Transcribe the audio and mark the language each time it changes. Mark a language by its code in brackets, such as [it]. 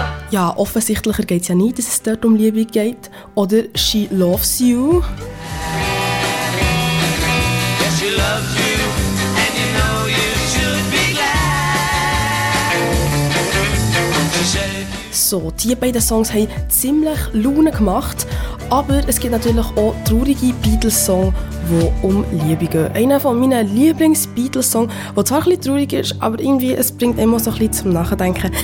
[de] Ja, offensichtlicher geht es ja nicht, dass es dort um Liebe geht. Oder She Loves You. [en] Yeah, she loves you, and you know you should be glad. [de] So, die beiden Songs haben ziemlich Laune gemacht. Aber es gibt natürlich auch traurige Beatles-Songs, die um Liebe gehen. Einer von meinen Lieblings-Beatles-Songs, der zwar ein bisschen traurig ist, aber irgendwie, es bringt immer so ein bisschen zum Nachdenken.